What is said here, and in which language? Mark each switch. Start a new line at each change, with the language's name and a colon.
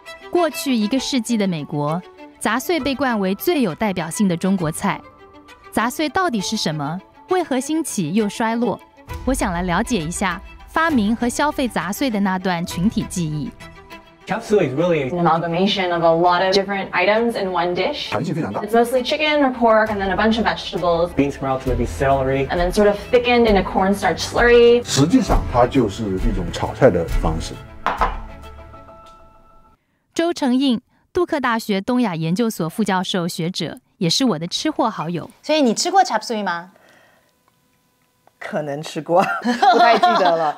Chinese: 过去一个世纪的美国，杂碎被冠为最有代表性的中国菜。杂碎到底是什么？为何兴起又衰落？我想来了解一下发明和消费杂碎的那段群体记忆。
English: Chop suey is really an amalgamation of a lot of different items in one dish.
Chinese: 弹性非常大。
English: It's mostly chicken or pork and then a bunch of vegetables. Bean sprouts, maybe celery. And then sort of thickened in a cornstarch slurry.
Chinese: 实际上它就是一种炒菜的方式。周成印，杜克大学东亚研究所副教授学者，也是我的吃货好友。所以你吃过 chop suey 吗？可能吃过，不太记得了。